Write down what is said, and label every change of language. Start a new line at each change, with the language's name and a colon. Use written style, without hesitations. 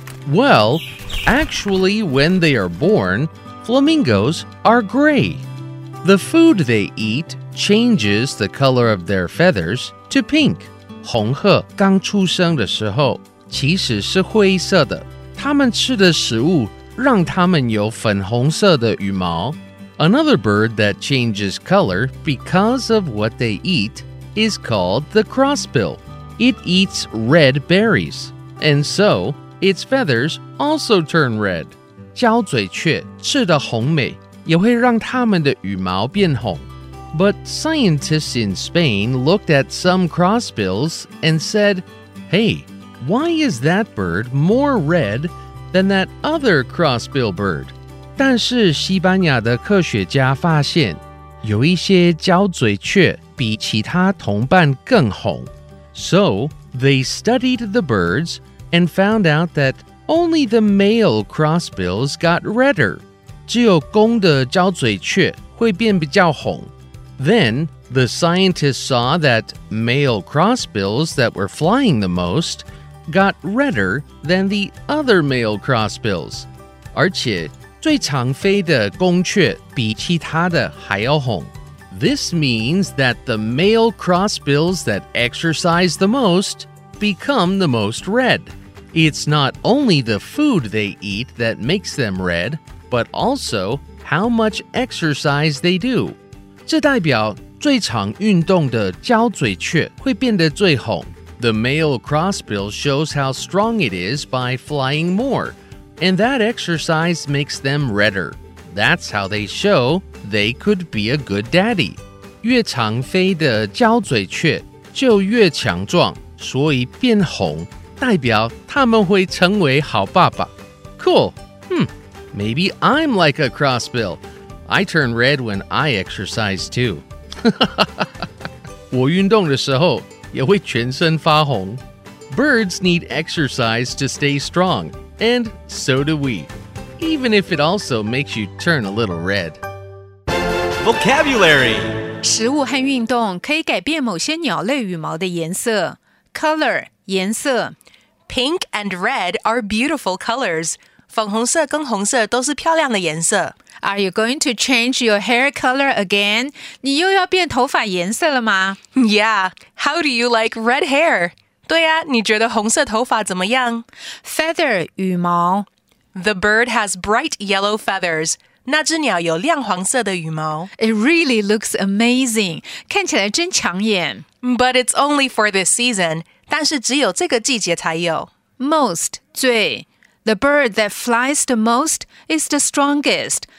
English: Well, actually, when they are born, flamingos are gray. The food they eat changes the color of their feathers to pink.
Chinese: 红鹤刚出生的时候其实是灰色的，它们吃的食物让它们有粉红色的羽毛。
English: Another bird that changes color because of what they eat is called the crossbill. It eats red berries, and so its feathers also turn red.
Chinese: 交嘴雀吃的红莓也会让它们的羽毛变红。
English: But scientists in Spain looked at some crossbills and said, Hey, why is that bird more red than that other crossbill bird?
Chinese: 但是西班牙的科学家发现有一些交嘴雀比其他同伴更红。
English: So, they studied the birds and found out that only the male crossbills got redder.
Chinese: 只有公的交嘴雀会变比较红。
English: Then, the scientists saw that male crossbills that were flying the most got redder than the other male crossbills.
Chinese: 而且最常飞的公雀比其他的还要红。
English: This means that the male crossbills that exercise the most become the most red. It's not only the food they eat that makes them red, but also how much exercise they do.
Chinese: 这代表最常运动的交嘴雀会变得最红。
English: The male crossbill shows how strong it is by flying more, and that exercise makes them redder. That's how they show they could be a good daddy.
Chinese: 越常飞的交嘴雀就越强壮，所以变红代表他们会成为好爸爸。
English: Cool. Maybe I'm like a crossbill. I turn red when I exercise too.
Chinese: 我运动的时候也会全身发红。
English: Birds need exercise to stay strong, and so do we. Even if it also makes you turn a little red. Vocabulary.
Chinese: 食物和运动可以改变某些鸟类羽毛的颜色。
English: Color, 颜色。 Pink and red are beautiful colors.
Chinese: 粉红色跟红色都是漂亮的颜色。
English: Are you going to change your hair color again?
Chinese: 你又要变头发颜色了吗？
English: Yeah. How do you like red hair?
Chinese: 对啊，你觉得红色头发怎么样？
English: Feather, 羽毛。 The bird has bright yellow feathers.
Chinese: 那只鸟有亮黄色的羽毛。
English: It really looks amazing.
Chinese: 看起来真抢眼。
English: But it's only for this season.
Chinese: 但是只有这个季节才有。
English: Most, 最。 The bird that flies the most is the strongest.